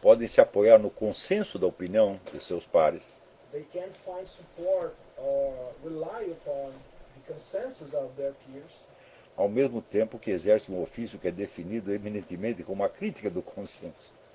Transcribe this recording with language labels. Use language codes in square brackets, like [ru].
[pt] podem se apoiar no consenso da opinião de seus pares. [en] They can find support or rely upon the consensus of their peers. [pt] Ao mesmo tempo que exerce um ofício que é definido eminentemente como a crítica do consenso.